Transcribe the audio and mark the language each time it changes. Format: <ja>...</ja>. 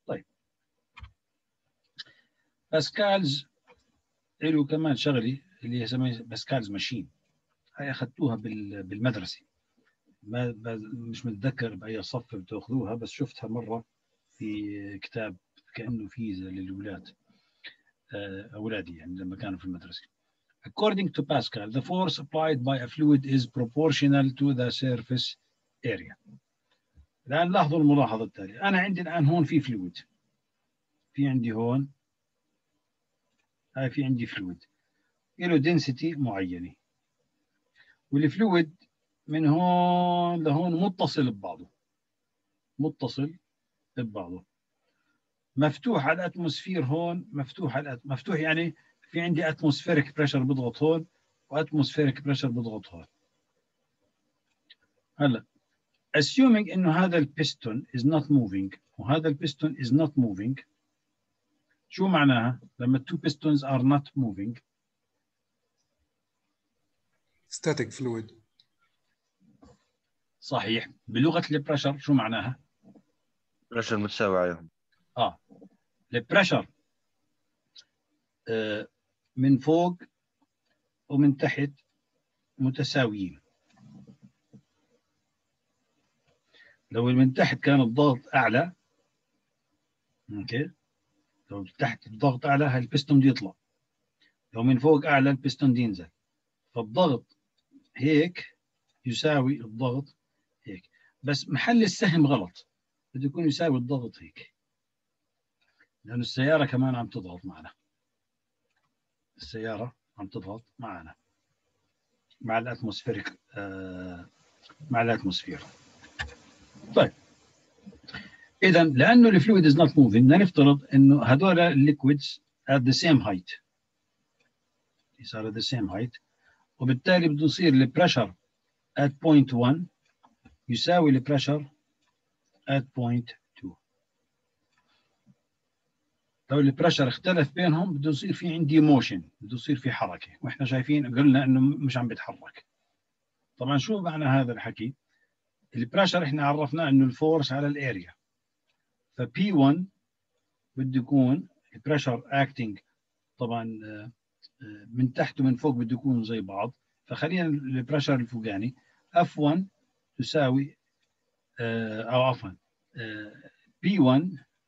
<ar>طيب باسكالز له كمان شغلي اللي هي باسكالز ماشين، هاي اخذتوها بالمدرسه، ما مش متذكر باي صف بتاخذوها، بس شفتها مره في كتاب كانه فيزا للاولاد اولادي يعني لما كانوا في المدرسه.</ar> <en>According to Pascal the force applied by a fluid is proportional to the surface area.</en> <ar>الآن لاحظوا الملاحظة التالية، أنا عندي الآن هون في فلويد، في عندي هون هاي في عندي فلويد إلو دنسيتي معينة، والفلويد من هون لهون متصل ببعضه، متصل ببعضه، مفتوح على الأتموسفير هون، مفتوح على مفتوح يعني في عندي أتموسفيرك بريشر بضغط هون وأتموسفيرك بريشر بضغط هون.</ar> <en>هلأ assuming انه هذا البيستون is not moving وهذا البستون is not moving.</en> <ar>شو معناها لما</ar> <en>two pistons are not moving؟ Static fluid.</en> <ar>صحيح. بلغة البرشر شو معناها؟ برشر متساوي عليهم. آه. البرشر من فوق ومن تحت متساويين. لو من تحت كان الضغط أعلى، أوكي؟ لو تحت الضغط أعلى هالبستون دي يطلع، لو من فوق أعلى البستون دي ينزل. فالضغط هيك يساوي الضغط هيك، بس محل السهم غلط، بده يكون يساوي الضغط هيك، لأن السيارة كمان عم تضغط معنا، السيارة عم تضغط معنا مع الأتموسفير مع الأتموسفير. طيب إذن لأنه</ar> <en>the fluid is not moving،</en> <ar>نفترض إنه هذول</ar> <en>liquids at the same height، يصير at the same height،</en> <ar>وبالتالي بده يصير</ar> <en>the pressure at point one</en> <ar>يساوي</ar> <en>the pressure at point two.</en> <ar>لو</ar> <en>the pressure</en> <ar>اختلف بينهم بده يصير في عندي motion، بده يصير في حركة، وإحنا شايفين قلنا إنه مش عم بيتحرك. طبعا شو معنى هذا الحكي؟ البرشر احنا عرفنا انه الفورس على الاريا، ف P1 بده يكون البرشر اكتنج طبعا من تحت ومن فوق بده يكون زي بعض، فخلينا البرشر الفوقاني F1 تساوي او عفوا P1</ar>